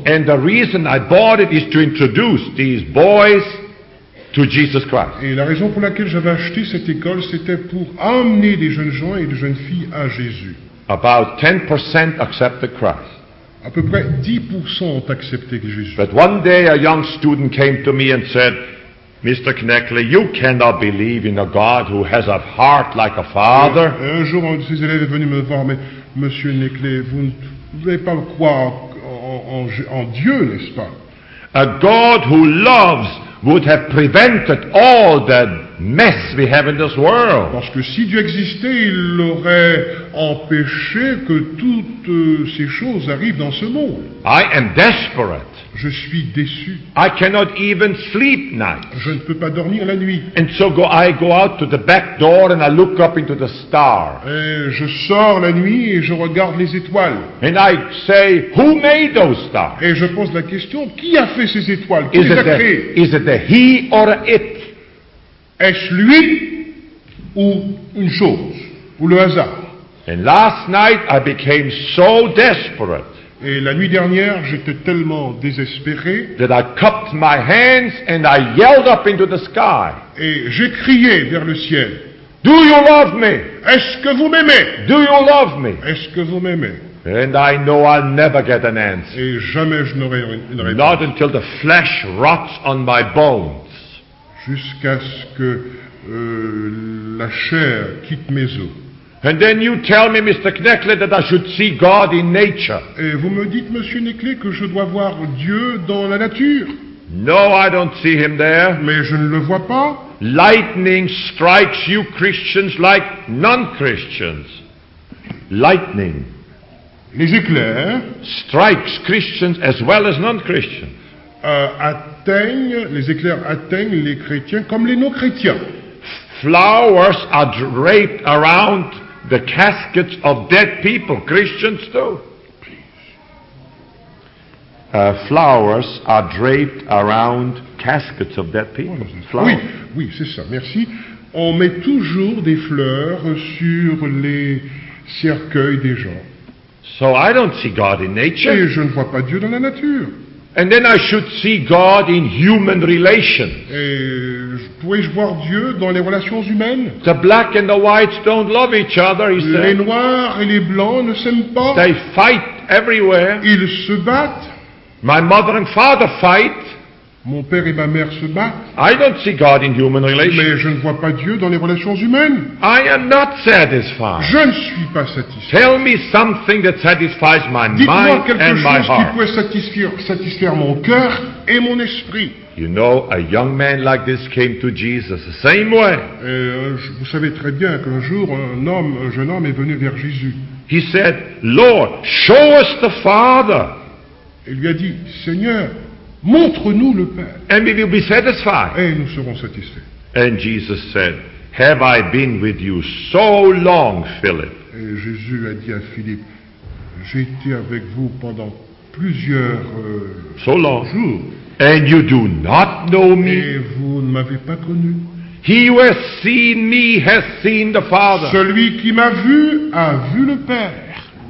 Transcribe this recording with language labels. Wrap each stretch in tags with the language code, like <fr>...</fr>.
<en>And the reason I bought it is to introduce these boys to Jesus Christ.</en> <fr>Et la raison pour laquelle j'avais acheté cette école, c'était pour amener des jeunes gens et des jeunes filles à Jésus.</fr> <en>About 10% accepted Christ.</en> <fr>À peu près 10% ont accepté Jésus.</fr> <en>But one day a young student came to me and said, "Mr. Knackley, you cannot believe in a God who has a heart like a father."</en> <fr>Et un jour, un de ses élèves est venu me voir, mais Monsieur Knackley, vous ne pouvez pas croire en Dieu, n'est-ce pas?</fr> <en>A God who loves would have prevented all the mess we have in this world.</en> <fr>Parce que si Dieu existait, il aurait empêché que toutes ces choses arrivent dans ce monde.</fr> <en>I am desperate.</en> <fr>Je suis déçu.</fr> <en>I cannot even sleep night.</en> <fr>Je ne peux pas dormir la nuit.</fr> <en>And so I go out to the back door and I look up into the stars.</en> <fr>Et je sors la nuit et je regarde les étoiles.</fr> <en>And I say, who made those stars?</en> <fr>Et je pose la question, qui a fait ces étoiles? Qui</fr> <en>is</en> <fr>les</fr> <en>it</en> <fr>a créées?</fr> <en>Is it a he or a it?</en> <fr>Est-ce lui ou une chose ou le hasard?</fr> <en>And last night I became so desperate.</en> <fr>Et la nuit dernière, j'étais tellement désespéré.</fr> <en>That I cupped my hands and I yelled up into the sky.</en> <fr>Et j'ai crié vers le ciel.</fr> <en>Do you love me?</en> <fr>Est-ce que vous m'aimez?</fr> <en>Do you love me?</en> <fr>Est-ce que vous m'aimez?</fr> <en>And I know I'll never get an answer.</en> <fr>Et jamais je n'aurai une réponse.</fr> <en>Not until the flesh rots on my bones.</en> <fr>Jusqu'à ce que la chair quitte mes os.</fr> <en>And then you tell me, Mr. Knechtle, that I should see God in nature.</en> <fr>Et vous me dites, Monsieur Knechtle, que je dois voir Dieu dans la nature.</fr> <en>No, I don't see him there.</en> <fr>Mais je ne le vois pas.</fr> <en>Lightning strikes you Christians like non-Christians. Lightning.</en> <fr>Les éclairs.</fr> <en>Strikes Christians as well as non-Christians.</en> <fr>Atteignent, les éclairs atteignent les chrétiens comme les non-chrétiens.</fr> <en>Flowers are draped around the caskets of dead people, Christians too. Flowers are draped around caskets of dead people.</en> <fr>Oui, oui, c'est ça, merci. On met toujours des fleurs sur les cercueils des gens.</fr> <en>So I don't see God in nature.</en> <fr>Et je ne vois pas Dieu dans la nature.</fr> <en>And then I should see God in human relations.</en> <fr>Et pourrais-je voir Dieu dans les relations humaines?</fr> <en>The black and the white don't love each other, he said.</en> <fr>Les noirs et les blancs ne s'aiment pas.</fr> <en>They fight everywhere.</en> <fr>Ils se battent.</fr> <en>My mother and father fight.</en> <fr>Mon père et ma mère se battent.</fr> <en>I don't see God in human relations.</en> <fr>Mais je ne vois pas Dieu dans les relations humaines.</fr> <en>I am not satisfied.</en> <fr>Je ne suis pas satisfait.</fr> <en>Tell me something that satisfies my mind and my heart.</en> <fr>Dites-moi quelque chose qui pourrait satisfaire mon cœur et mon esprit.</fr> <en>You know, a young man like this came to Jesus the same way.</en> <fr>Et vous savez très bien qu'un jour un jeune homme est venu vers Jésus.</fr> <en>He said, Lord, show us the Father.</en> <fr>Il lui a dit, Seigneur, montre-nous le Père.</fr> <en>And we will be satisfied.</en> <fr>Et nous serons satisfaits.</fr> <en>And Jesus said, Have I been with you so long, Philip?</en> <fr>Et Jésus a dit à Philippe, j'ai été avec vous pendant plusieurs jours.</fr> <en>And you do not know me.</en> <fr>Et vous ne m'avez pas connu.</fr> <en>He who has seen me has seen the Father.</en> <fr>Celui qui m'a vu a vu le Père.</fr>